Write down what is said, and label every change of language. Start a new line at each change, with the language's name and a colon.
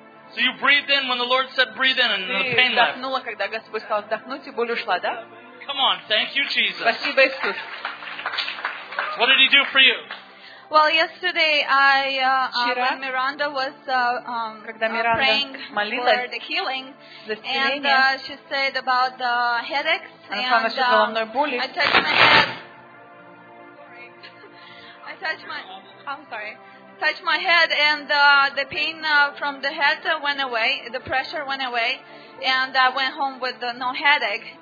English: So you breathed in when the Lord said breathe in, and the pain left.
Russian: Ты вдохнула, когда Господь сказал вдохнуть, и боль ушла, да?
English: Come on, thank you, Jesus.
Russian: Спасибо, Иисус.
English: What did He do for you? Well, yesterday I when Miranda was praying for the healing, and she said about the headaches, and I touched my head, and the pain from the head went away, the pressure went away, and I went home with no headache.